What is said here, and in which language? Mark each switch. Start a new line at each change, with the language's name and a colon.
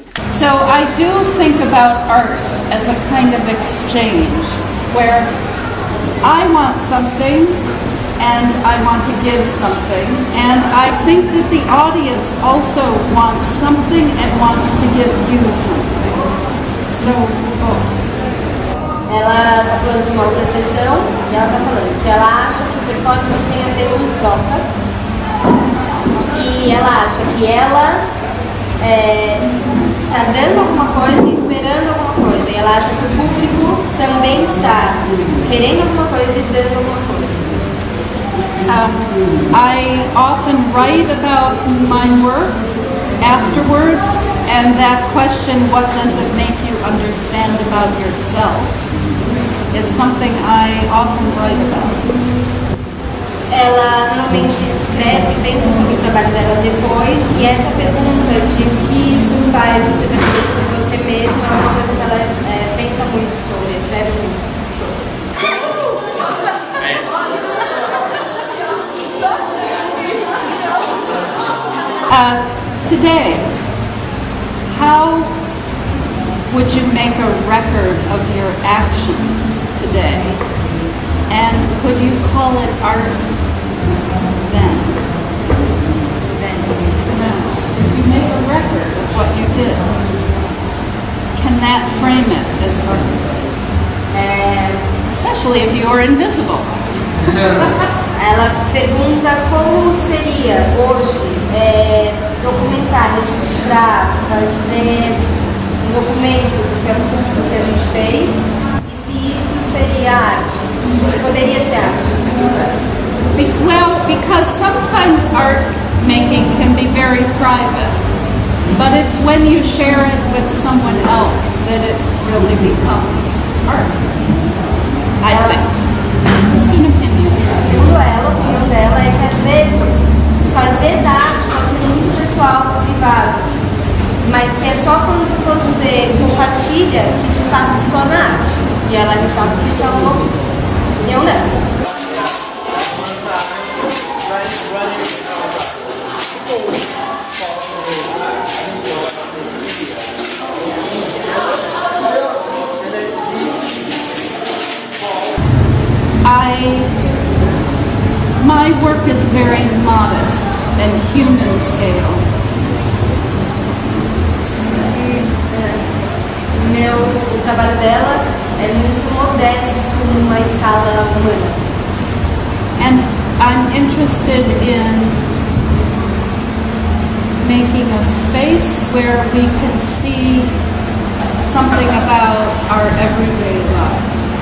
English: So I do think about art as a kind of exchange where I want something and I want to give something, and I think that the audience also wants something and wants to give you something. So both.
Portuguese: Ela está falando de uma outra sessão e ela está falando que ela acha que o performance tem a ver com troca. E ela acha que ela está dando alguma coisa e esperando alguma coisa. E ela acha que o público também está querendo alguma coisa e dando alguma coisa.
English: I often write about my work afterwards, and that question, what does it make you understand about yourself, is something I often write about.
Portuguese: Ela normalmente escreve e pensa sobre o trabalho dela depois, e essa pergunta de o que isso faz você perceber sobre você mesmo é uma coisa que ela pensa muito sobre, escreve muito.
English: Today, how would you make a record of your actions today? And could you call it art then? Then? No. If you make a record of what you did, can that frame it as art? Especially if you are invisible.
Portuguese: Ela pergunta como seria hoje documentar, registrar, fazer um documento do que é um curso que a gente fez e se isso seria arte.
English: Well, because sometimes art making can be very private, but it's when you share it with someone else that it really becomes art, I think. Just an opinion.
Portuguese: Segundo ela, a opinião dela é que às vezes fazer da arte pode ser muito pessoal ou privado, mas que é só quando você compartilha que de fato se torna arte. E ela ressalta que isso é uma opinião dela.
English: My work is very modest and human scale.
Portuguese: Meu trabalho dela é muito modesto numa escala humana.
English: And I'm interested in making a space where we can see something about our everyday lives.